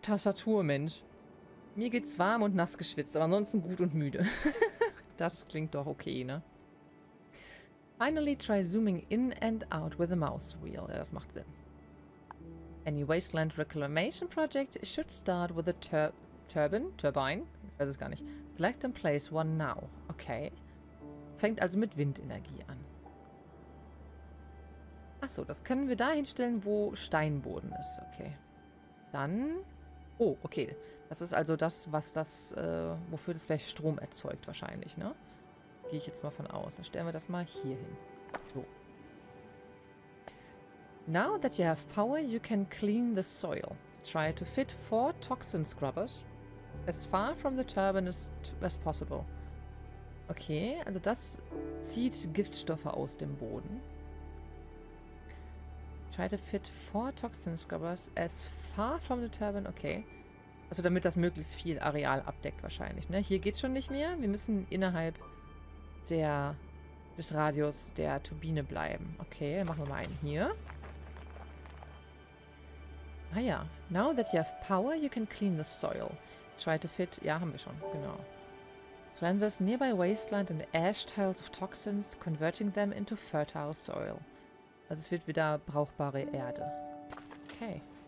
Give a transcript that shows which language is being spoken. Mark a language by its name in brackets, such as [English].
[German] Tastaturmensch. Mir geht's warm und nass geschwitzt, aber ansonsten gut und müde. Das klingt doch okay, ne? [English] Finally try zooming in and out with a mouse wheel. [German] Ja, das macht Sinn. [English] Any wasteland reclamation project should start with a Turbine? [German] Ich weiß es gar nicht. [English] Select and place one now. [German] Okay. Fängt also mit Windenergie an. Achso, das können wir da hinstellen, wo Steinboden ist. Okay. Dann. Oh, okay. Das ist also das, was das, wofür das vielleicht Strom erzeugt wahrscheinlich, ne? Gehe ich jetzt mal von aus. Dann stellen wir das mal hier hin. So. [English] Now that you have power, you can clean the soil. Try to fit 4 toxin scrubbers as far from the turbine as possible. [German] Okay, also das zieht Giftstoffe aus dem Boden. [English] Try to fit 4 toxin scrubbers as far from the turbine. Okay. [German] Also damit das möglichst viel Areal abdeckt wahrscheinlich. Ne? Hier geht's schon nicht mehr. Wir müssen innerhalb des Radius der Turbine bleiben. Okay, dann machen wir mal einen hier. Ah ja. [English] Now that you have power, you can clean the soil. Try to fit. [German] Ja, haben wir schon. Genau. [English] Cleanses nearby wasteland and ash tiles of toxins, converting them into fertile soil. [German] Also es wird wieder brauchbare Erde. Okay.